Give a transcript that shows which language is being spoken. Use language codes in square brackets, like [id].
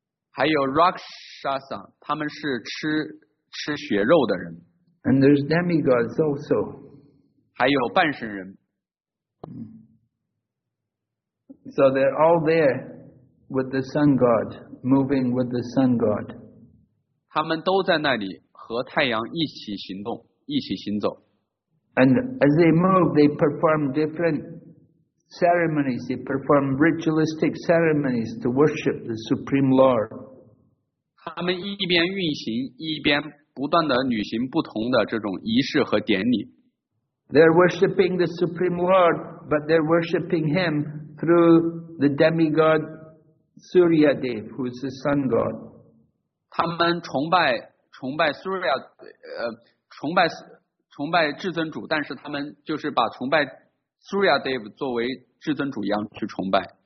[zh] 还有 Rakshasa， 他们是吃血肉的人。 [en] And there's demigods also. [zh] 还有半神人。 [en] So they're all there with the sun god, moving with the sun god. [zh] 他们都在那里和太阳一起行动，一起行走。 [en] And as they move, they perform different ceremonies. They perform ritualistic ceremonies to worship the Supreme Lord. [zh] 他们一边运行，一边不断地履行不同的这种仪式和典礼。 [en] They're worshipping the Supreme Lord, but they're worshipping him through the demigod Surya Dev, who's the sun god. [zh] 他们崇拜 Surya， 崇拜至尊主，但是他们就是把崇拜 Surya Dev 作为至尊主一样去崇拜。